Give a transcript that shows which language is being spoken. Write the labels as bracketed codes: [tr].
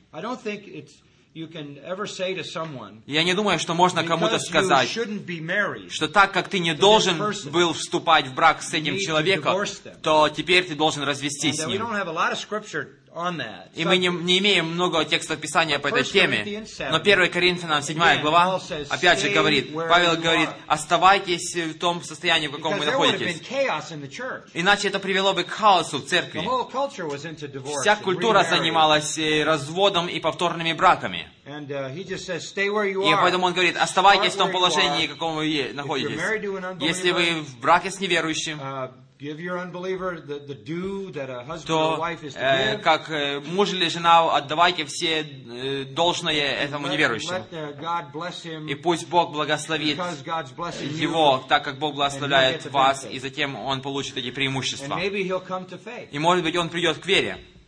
[en] I don't think it's you can ever say to someone. [ru] Я не думаю, что можно кому-то сказать, [en] shouldn't be married, [ru] что так как ты не должен был вступать в брак с этим человеком, то теперь ты должен развестись с ним. [en] We don't have a lot of scripture on that. [ru] И мы не имеем много текста Писания по этой теме. Но 1 Коринфянам 7 глава опять же говорит, Павел говорит, оставайтесь в том состоянии, в каком вы находитесь. Иначе это привело бы к хаосу в церкви. Вся культура занималась разводом и повторными браками. И поэтому он говорит, оставайтесь в том положении, в каком вы находитесь. Если вы в браке с неверующим, [en] give your unbeliever the due that a husband or wife is to give. [ru] Как муж или жена, отдавайте все должное этому неверующему. И пусть Бог благословит его, так как Бог благословляет вас, и затем он получит эти преимущества. И может быть, он придет к вере.